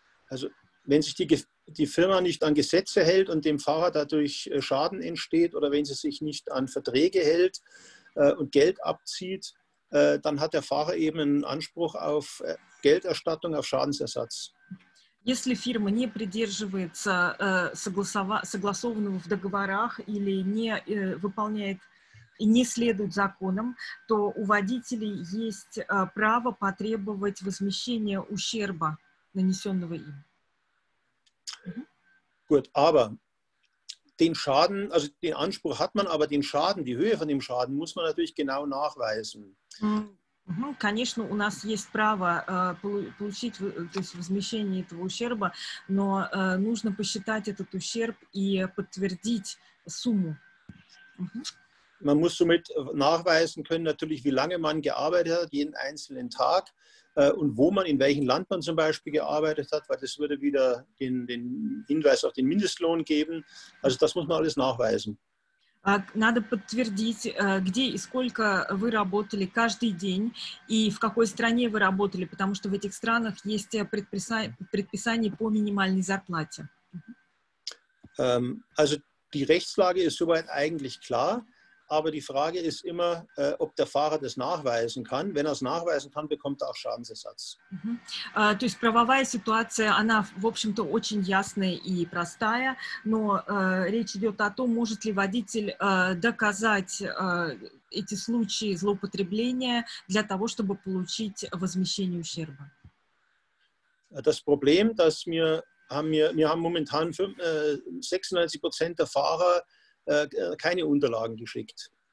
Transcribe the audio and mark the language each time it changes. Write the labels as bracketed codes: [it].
[de] Also, wenn sich die Firma nicht an Gesetze hält und dem Fahrer dadurch Schaden entsteht, oder wenn sie sich nicht an Verträge hält und Geld abzieht, dann hat der Fahrer eben einen Anspruch auf Gelderstattung, auf Schadensersatz. [ru] Если фирма не придерживается согласованного в договорах или не выполняет и не следует законам, то у водителей есть право потребовать возмещения ущерба, нанесенного им. [de] Gut, aber den Schaden, also den Anspruch hat man, aber den Schaden, die Höhe von dem Schaden muss man natürlich genau nachweisen. [ru] Конечно, у нас есть право получить, то есть возмещение этого ущерба, но нужно посчитать этот ущерб и подтвердить сумму. [de] Man muss somit nachweisen können, natürlich, wie lange man gearbeitet hat, jeden einzelnen Tag, und wo man, in welchem Land man zum Beispiel gearbeitet hat, weil das würde wieder den Hinweis auf den Mindestlohn geben. Also das muss man alles nachweisen. [ru] Надо подтвердить, где и сколько вы работали каждый день и в какой стране вы работали, потому что в этих странах есть предписание по минимальной зарплате. [de] Also die Rechtslage ist soweit eigentlich klar, aber die Frage ist immer, ob der Fahrer das nachweisen kann. Wenn er es nachweisen kann, bekommt er auch Schadensersatz. [ru] То есть правовая ситуация, она, в общем-то, очень ясная и простая, но речь идет о том, может ли водитель доказать эти случаи злоупотребления для того, чтобы получить возмещение ущерба. [de] Das Problem, dass wir haben momentan 96% der Fahrer keine Unterlagen geschickt.